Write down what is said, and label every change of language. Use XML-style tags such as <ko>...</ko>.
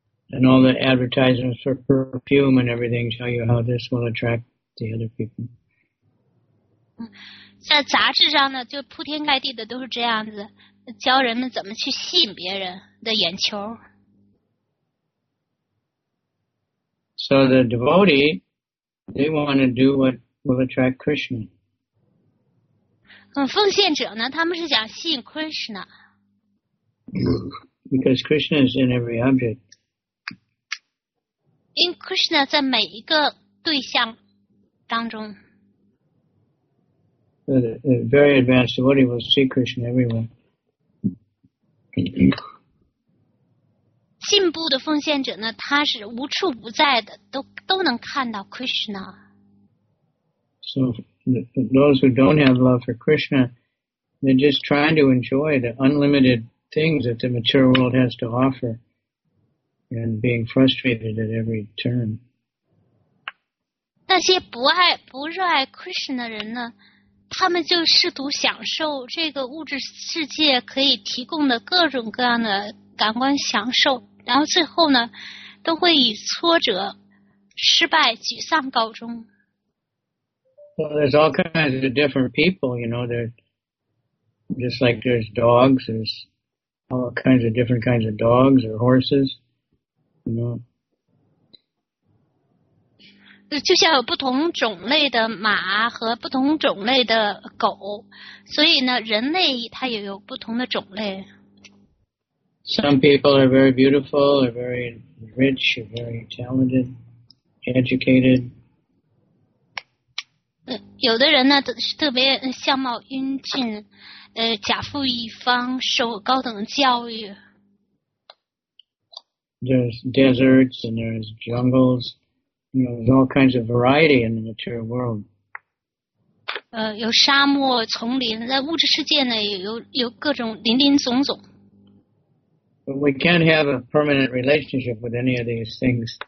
<en>And all the advertisements for perfume and everything show you how this will attract the other people.</en> <zh>在杂志上呢，就铺天盖地的都是这样子，教人们怎么去吸引别人的眼球。</zh> <en>So the devotee, they want to do what. Will attract Krishna.</en> <zh>奉献者呢，他们是想吸引 Krishna.</zh> <en>Because Krishna is in every object.</en> <zh>In Krishna 在每一个对象当中。</zh> <en>So the very advanced devotee will see Krishna everywhere.</en> <zh>进步的奉献者呢，他是无处不在的，都能看到 Krishna.</zh> <en>So those who don't have love for Krishna, they're just trying to enjoy the unlimited things that the material world has to offer and being frustrated at every turn.</en> <zh>那些不热爱 Krishna 的人呢，他们就试图享受这个物质世界可以提供的各种各样的感官享受，然后最后呢，都会以挫折、失败、沮丧告终。</zh> <en>Well, there's all kinds of different people, you know, there's just like there's dogs, there's all kinds of different kinds of dogs or horses, you know.</en> <zh>就像有不同种类的马和不同种类的狗，所以呢，人类它也有不同的种类。</zh> <en>Some people are very beautiful, or very rich, or very talented, educated.</en> <zh>有的人呢特别相貌英俊，甲富一方，受高等教育。</zh> <en>There's deserts and there's jungles, you know, there's all kinds of variety in the material world.</en> <zh>有沙漠、丛林，在物质世界呢有各种林林总总。</zh> <en>But we can't have a permanent relationship with any of these things.</en>